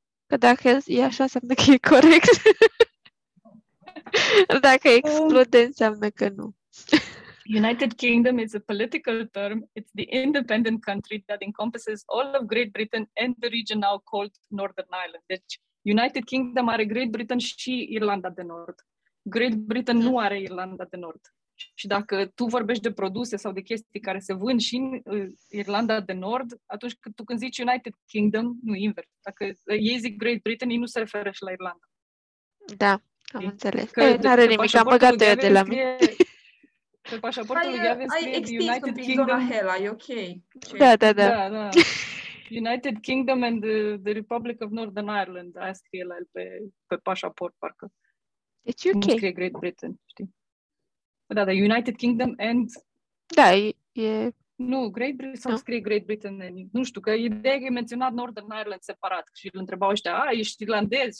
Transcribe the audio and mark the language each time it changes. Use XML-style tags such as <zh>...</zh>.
<ro>Că dacă e așa, înseamnă că e corect. Dacă exclude, înseamnă că nu.</ro> <en>United Kingdom is a political term. It's the independent country that encompasses all of Great Britain and the region now called Northern Ireland.</en> <ro>Deci, United Kingdom are Great Britain și Irlanda de Nord. Great Britain nu are Irlanda de Nord. Și dacă tu vorbești de produse sau de chestii care se vând și în Irlanda de Nord, atunci când tu zici United Kingdom, nu invers. Dacă ei zic Great Britain, ei nu se referă și la Irlanda. Da, am înțeles. Că n-are nimic, am băgat eu de la mine. Pe pașaportul lui Gavin scrie United Kingdom. Hela, e okay. Da, da, da. Da, da.</ro> <en>United Kingdom and the Republic of Northern Ireland.</en> <ro>Aia scrie la el pe pașaport, parcă.</ro> <en>It's okay.</en> <ro>Nu scrie Great Britain, știi? Da, da, United Kingdom and... Da, e... Nu, Great Britain, sau scrie Great Britain, nu știu, că ideea că e menționat Northern Ireland separat și îl întrebau ăștia, a, ești irlandez?</ro>